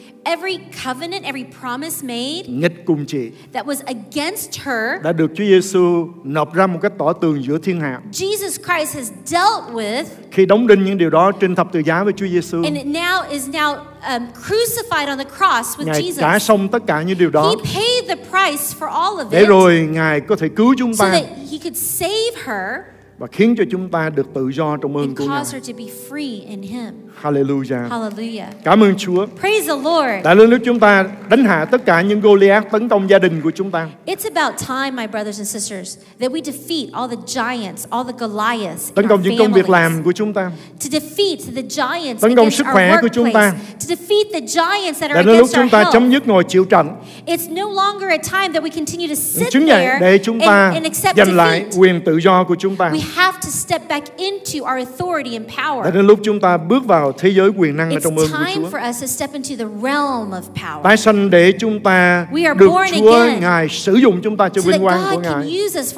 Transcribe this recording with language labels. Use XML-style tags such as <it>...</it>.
<en>every covenant, every promise made,</en> <vi>nghịch cùng chị,</vi> <en>that was against her,</en> <vi>đã được Chúa Giêsu nộp ra một cách tỏ tường giữa thiên hạ.</vi> <en>Jesus Christ has dealt with,</en> <vi>khi đóng đinh những điều đó trên thập tự giá với Chúa Giêsu,</vi> <en>and it now is now crucified on the cross with</en> <vi>Ngài</vi> <en>Jesus.</en> <vi>Trả xong tất cả những điều đó.</vi> <en>He paid the price for all of it.</en> <vi>Để rồi Ngài có thể cứu chúng ta.</vi> <en>So that He could save her.</en> <vi>Và khiến cho chúng ta được tự do trong ơn của Ngài.</vi> <en>To be free in him. Hallelujah. Hallelujah.</en> <vi>Cảm ơn Chúa.</vi> <en>Praise the Lord.</en> <vi>Tại lúc chúng ta đánh hạ tất cả những Goliath tấn công gia đình của chúng ta.</vi> <en>It's about time, my brothers and sisters, that we defeat all the giants, all the Goliaths.</en> <vi>Tấn công những công việc làm của chúng ta.</vi> <en>To defeat the giants.</en> <vi>Tấn công sức khỏe của chúng ta.</vi> <en>To defeat the giants that are against</en> <vi>Để lúc chúng ta chấm dứt ngồi chịu trận.</vi> <en>It's no longer a time that we continue to sit there and accept defeat.</en> <vi>Giành lại quyền tự do của chúng ta.</vi> <en>We have to step back into our authority and power.</en> <vi>Để lúc chúng ta bước vào thế giới quyền năng trong ơn của Chúa.</vi> <en>It's time for us to step into the realm of power.</en> <vi>Tái sanh để chúng ta được Chúa Ngài sử dụng chúng ta cho vinh quang của Ngài.</vi>